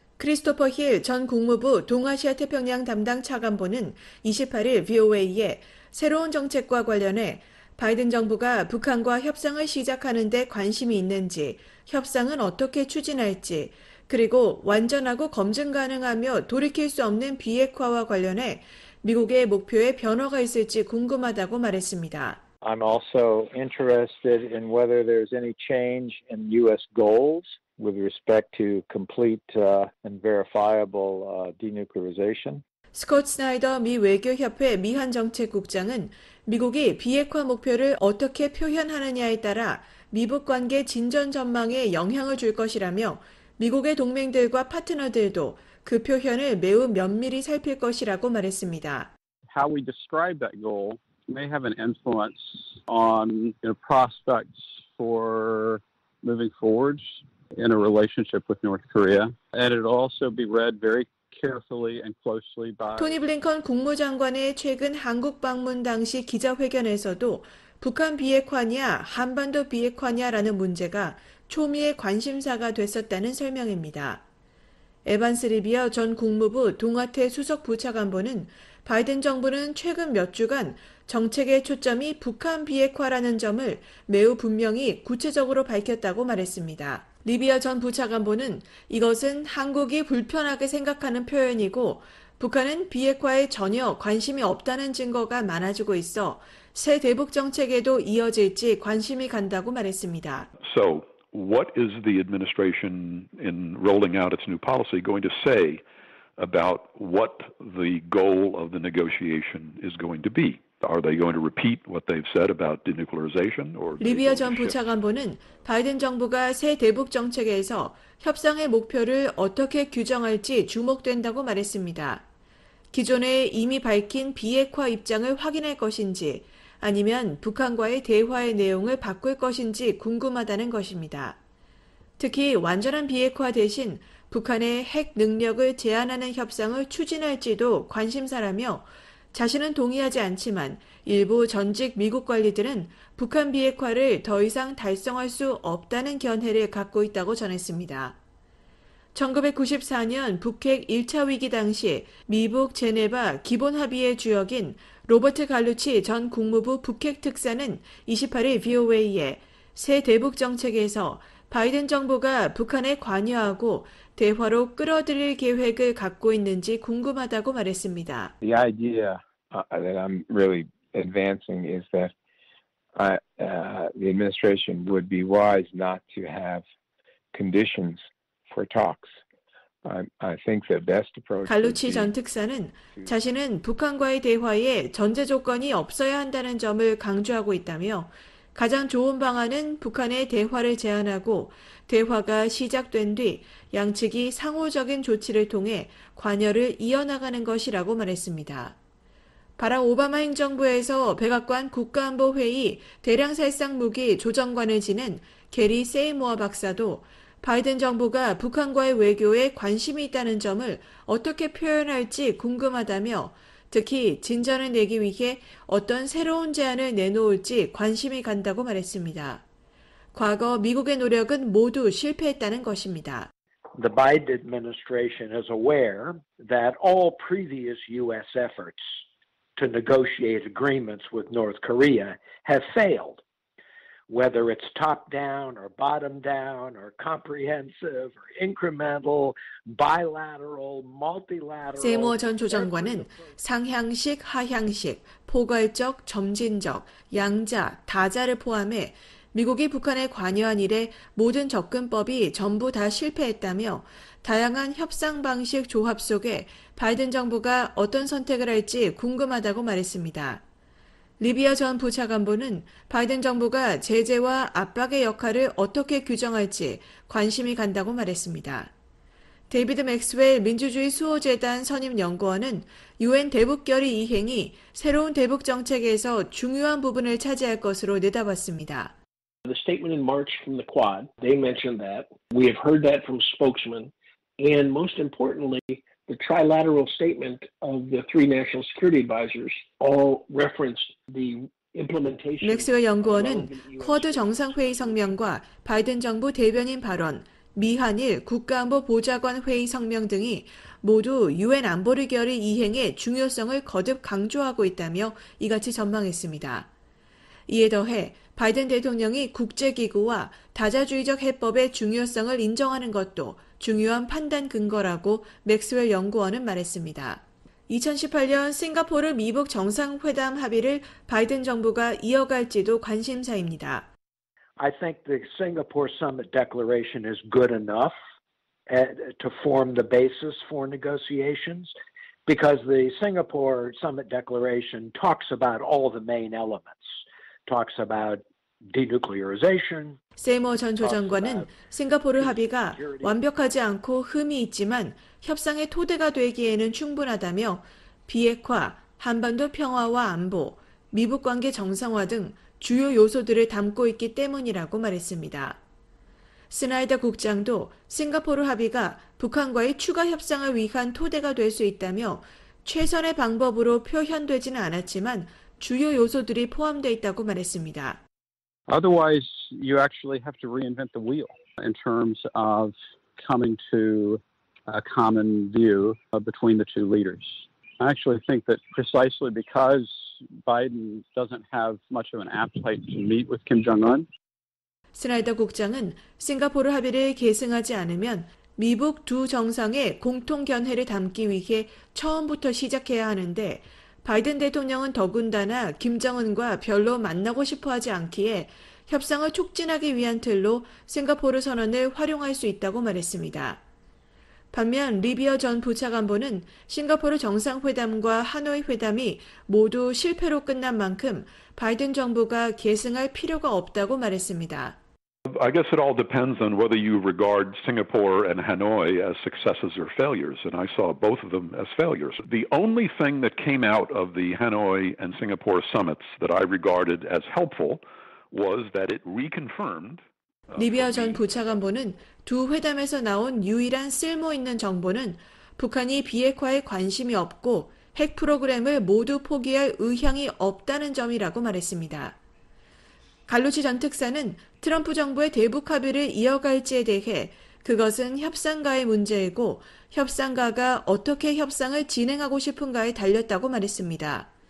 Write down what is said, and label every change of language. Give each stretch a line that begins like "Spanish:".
Korean: 크리스토퍼 힐 전 국무부 동아시아 태평양 담당 차관보는 28일 VOA에 새로운 정책과 관련해 바이든 정부가 북한과 협상을 시작하는 데 관심이 있는지, 협상은 어떻게 추진할지, 그리고 완전하고 검증 가능하며 돌이킬 수 없는 비핵화와 관련해 미국의 목표에 변화가 있을지 궁금하다고 말했습니다.
English: I'm also interested in whether there's any change in U.S. goals with respect to complete and verifiable denuclearization.
Korean: 스콧 스나이더 미 외교협회 미한정책국장은 미국이 비핵화 목표를 어떻게 표현하느냐에 따라 미북 관계 진전 전망에 영향을 줄 것이라며 미국의 동맹들과 파트너들도 그 표현을 매우 면밀히 살필 것이라고 말했습니다.
English: How we describe that goal may have an influence on the prospects for moving forward in a relationship with North Korea. And it'll also be read very carefully and closely by
Korean: 토니 블링컨 국무장관의 최근 한국 방문 당시 기자회견에서도 북한 비핵화냐 한반도 비핵화냐라는 문제가 초미의 관심사가 됐었다는 설명입니다. 에반스 리비어 전 국무부 동아태 수석 부차관보는 바이든 정부는 최근 몇 주간 정책의 초점이 북한 비핵화라는 점을 매우 분명히 구체적으로 밝혔다고 말했습니다. 리비어 전 부차관보는 이것은 한국이 불편하게 생각하는 표현이고 북한은 비핵화에 전혀 관심이 없다는 증거가 많아지고 있어 새 대북 정책에도 이어질지 관심이 간다고 말했습니다.
English: So, what is the administration in rolling out its new policy going to say about what the goal of the negotiation is going to be? Are they going to repeat what they've said about denuclearization?
Korean: 리비아 전 부차관보는 바이든 정부가 새 대북 정책에서 협상의 목표를 어떻게 규정할지 주목된다고 말했습니다. 기존에 이미 밝힌 비핵화 입장을 확인할 것인지 아니면 북한과의 대화의 내용을 바꿀 것인지 궁금하다는 것입니다. 특히 완전한 비핵화 대신 북한의 핵 능력을 제한하는 협상을 추진할지도 관심사라며 자신은 동의하지 않지만 일부 전직 미국 관리들은 북한 비핵화를 더 이상 달성할 수 없다는 견해를 갖고 있다고 전했습니다. 1994년 북핵 1차 위기 당시 미북 제네바 기본 합의의 주역인 로버트 갈루치 전 국무부 북핵 특사는 28일 VOA에 새 대북 정책에서 바이든 정부가 북한에 관여하고 대화로 끌어들일 계획을 갖고 있는지 궁금하다고 말했습니다.
English: The idea that I'm really advancing is that the administration would be wise not to have conditions for talks. I think the best approach.
Korean: 갈루치 전 특사는 자신은 북한과의 대화에 전제 조건이 없어야 한다는 점을 강조하고 있다며 가장 좋은 방안은 북한의 대화를 제안하고 대화가 시작된 뒤 양측이 상호적인 조치를 통해 관여를 이어나가는 것이라고 말했습니다. 바락 오바마 행정부에서 백악관 국가안보회의 대량살상무기 조정관을 지낸 게리 세이모어 박사도 바이든 정부가 북한과의 외교에 관심이 있다는 점을 어떻게 표현할지 궁금하다며 특히 진전을 내기 위해 어떤 새로운 제안을 내놓을지 관심이 간다고 말했습니다. 과거 미국의 노력은 모두 실패했다는 것입니다.
English: The Biden administration is aware that all previous U.S. efforts to negotiate agreements with North Korea have failed. Whether it's top-down or bottom-down or comprehensive or incremental, bilateral, multilateral.
Korean: 세이머 전 조정관은 상향식, 하향식, 포괄적, 점진적, 양자, 다자를 포함해 미국이 북한에 관여한 일에 모든 접근법이 전부 다 실패했다며 다양한 협상 방식 조합 속에 바이든 정부가 어떤 선택을 할지 궁금하다고 말했습니다. 리비아 전 부차관보는 바이든 정부가 제재와 압박의 역할을 어떻게 규정할지 관심이 간다고 말했습니다. 데이비드 맥스웰 민주주의 수호재단 선임연구원은 유엔 대북결의 이행이 새로운 대북정책에서 중요한 부분을 차지할 것으로 내다봤습니다.
English: The statement in March from the Quad, they mentioned that. We have heard that from spokesmen. And most importantly, the trilateral statement of the three national security advisors all referenced the implementation.
Korean: 맥스웰 연구원은 쿼드 정상회의 성명과 바이든 정부 대변인 발언, 미한일 국가안보 보좌관 회의 성명 등이 모두 유엔 안보리 결의 이행의 중요성을 거듭 강조하고 있다며 이같이 전망했습니다. 이에 더해 바이든 대통령이 국제기구와 다자주의적 해법의 중요성을 인정하는 것도 중요한 판단 근거라고 맥스웰 연구원은 말했습니다. 2018년 싱가포르 미북 정상회담 합의를 바이든 정부가 이어갈지도 관심사입니다.
English: I think the Singapore summit declaration is good enough to form the basis for negotiations because the Singapore summit declaration talks about all the main elements. Talks about denuclearization.
Korean: 세이머 전 조정관은 싱가포르 합의가 완벽하지 않고 흠이 있지만 협상의 토대가 되기에는 충분하다며 비핵화, 한반도 평화와 안보, 미북 관계 정상화 등 주요 요소들을 담고 있기 때문이라고 말했습니다. 스나이더 국장도 싱가포르 합의가 북한과의 추가 협상을 위한 토대가 될 수 있다며 최선의 방법으로 표현되지는 않았지만 주요 요소들이 포함되어 있다고 말했습니다.
English: Otherwise, you actually have to reinvent the wheel in terms of coming to a common view between the two leaders. I actually think that precisely because Biden doesn't have much of an appetite to meet with Kim Jong-un.
Korean: 스나이더 국장은 싱가포르 합의를 계승하지 않으면 미북 두 정상의 공통 견해를 담기 위해 처음부터 시작해야 하는데 바이든 대통령은 더군다나 김정은과 별로 만나고 싶어 하지 않기에 협상을 촉진하기 위한 틀로 싱가포르 선언을 활용할 수 있다고 말했습니다. 반면 리비아 전 부차관보는 싱가포르 정상회담과 하노이 회담이 모두 실패로 끝난 만큼 바이든 정부가 계승할 필요가 없다고 말했습니다.
English: I guess it all depends on whether you regard Singapore and Hanoi as successes or failures, and I saw both of them as failures. The only thing that came out of the Hanoi and Singapore summits that I regarded as helpful was that it reconfirmed.
Korean: 리비아 전 부차관보는 두 회담에서 나온 유일한 쓸모 있는 정보는 북한이 비핵화에 관심이 없고 핵 프로그램을 모두 포기할 의향이 없다는 점이라고 말했습니다. 갈루치 전 특사는 트럼프 정부의 대북 합의를 이어갈지에 대해 그것은 협상가의 문제이고 협상가가 어떻게 협상을 진행하고 싶은가에 달렸다고 말했습니다.